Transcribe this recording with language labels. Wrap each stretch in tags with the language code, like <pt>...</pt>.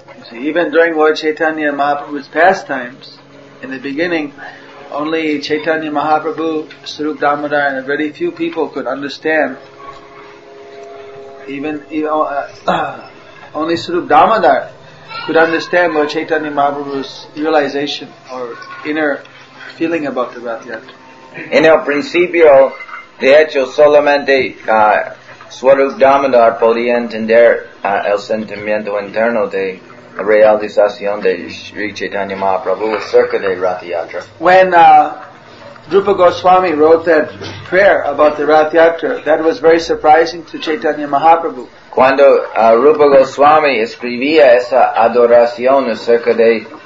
<en>See, even during Lord Chaitanya Mahaprabhu's pastimes, in the beginning, only Chaitanya Mahaprabhu, Sarup Damodar, and a very few people could understand. Only Sarup Damodar could understand Lord Chaitanya Mahaprabhu's realization or inner feeling about the Rath Yatra.</en> <es>In el principio, de hecho, solamente Swarup Damodar podía entender el sentimiento interno de la realización de Sri Chaitanya Mahaprabhu acerca de Rath Yatra.</es> <en>When Drupa Goswami wrote that prayer about the Rath Yatra, that was very surprising to Chaitanya Mahaprabhu.</en> <es>Cuando Drupa Goswami escribía esa adoración acerca de...</es>